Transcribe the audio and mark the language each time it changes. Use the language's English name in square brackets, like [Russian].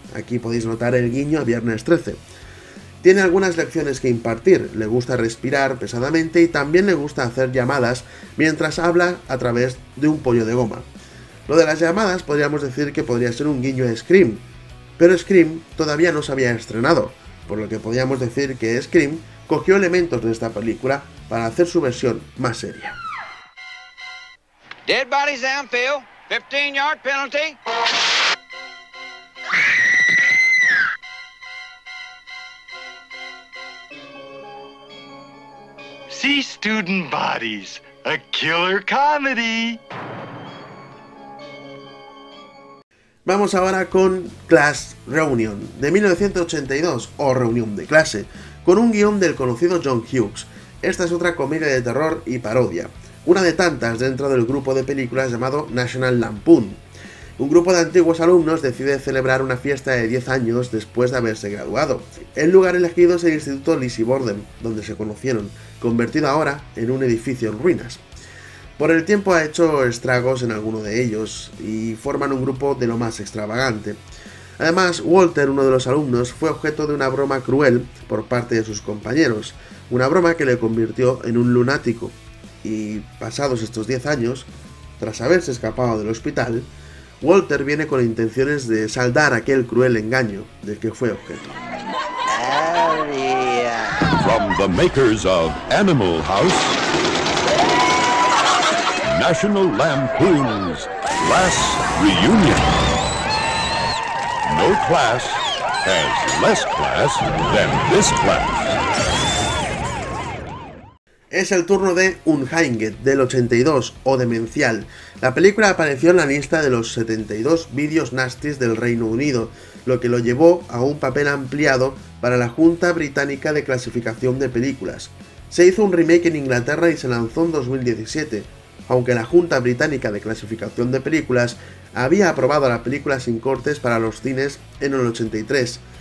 [Spanish] Aquí podéis notar el guiño a Viernes 13. Tiene algunas lecciones que impartir, le gusta respirar pesadamente y también le gusta hacer llamadas mientras habla a través de un pollo de goma. Lo de las llamadas podríamos decir que podría ser un guiño a Scream, pero Scream todavía no se había estrenado, por lo que podríamos decir que Scream cogió elementos de esta película para hacer su versión más seria. [English] Dead bodies downfield, 15 yard penalty. See student bodies, a killer comedy. [Spanish] Vamos ahora con Class Reunion, de 1982, o Reunión de Clase, con un guion del conocido John Hughes. Esta es otra comedia de terror y parodia, una de tantas dentro del grupo de películas llamado National Lampoon. Un grupo de antiguos alumnos decide celebrar una fiesta de 10 años después de haberse graduado. El lugar elegido es el Instituto Lizzie Borden, donde se conocieron, convertido ahora en un edificio en ruinas. Por el tiempo ha hecho estragos en alguno de ellos y forman un grupo de lo más extravagante. Además, Walter, uno de los alumnos, fue objeto de una broma cruel por parte de sus compañeros, una broma que le convirtió en un lunático. Y pasados estos 10 años, tras haberse escapado del hospital, Walter viene con intenciones de saldar aquel cruel engaño del que fue objeto. [English] From the makers of Animal House, National Lampoon's Class Reunion. No class has less class than this class. [Spanish] Es el turno de Unhinged, del 82, o Demencial. La película apareció en la lista de los 72 vídeos nasties del Reino Unido, lo que lo llevó a un papel ampliado para la Junta Británica de Clasificación de Películas. Se hizo un remake en Inglaterra y se lanzó en 2017, aunque la Junta Británica de Clasificación de Películas había aprobado la película sin cortes para los cines en el 83.